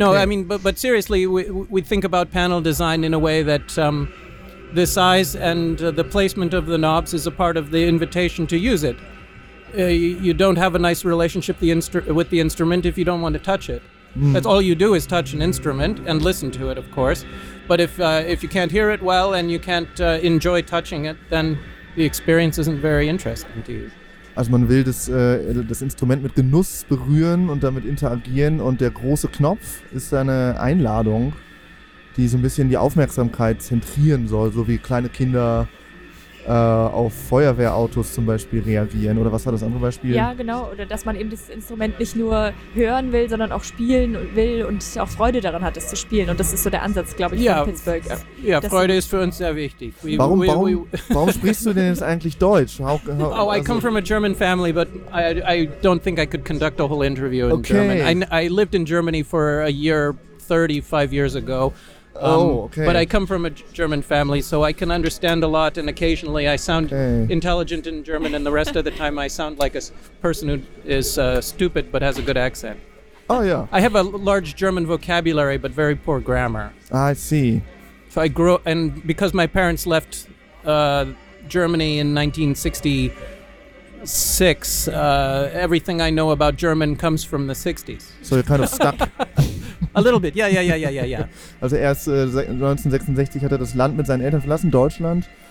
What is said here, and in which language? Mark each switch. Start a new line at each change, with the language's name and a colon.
English: No, I mean, but seriously, we think about panel design in a way that the size and the placement of the knobs is a part of the invitation to use it. You don't have a nice relationship with the instrument if you don't want to touch it. Mm. That's all you do is touch an instrument and listen to it, of course. But if you can't hear it well and you can't enjoy touching it, then the experience isn't very interesting to you.
German: Also man will das Instrument mit Genuss berühren und damit interagieren, und der große Knopf ist eine Einladung, die so ein bisschen die Aufmerksamkeit zentrieren soll, so wie kleine Kinder auf Feuerwehrautos zum Beispiel reagieren. Oder was war das andere Beispiel? Ja, genau. Oder dass man eben das Instrument nicht nur hören will, sondern auch spielen will und auch Freude daran hat, es zu spielen. Und das ist so der Ansatz, glaube ich, von Pittsburgh. Ja, Freude ist für uns sehr wichtig. Warum sprichst du denn jetzt eigentlich Deutsch?
English: Oh, I come from a German family, but I don't think I could conduct a whole interview in German. I lived in Germany for a year, 35 years ago. But I come from a German family, so I can understand a lot, and occasionally I sound intelligent in German, and the rest of the time I sound like a person who is stupid but has a good accent. Oh, yeah. I have a large German vocabulary, but very poor grammar. I see. So I grew, and because my parents left Germany in 1966, everything I know about German comes from the 60s. So you're kind of stuck. A little bit, yeah.
German: Also erst 1966 hat das Land mit seinen Eltern verlassen, Deutschland.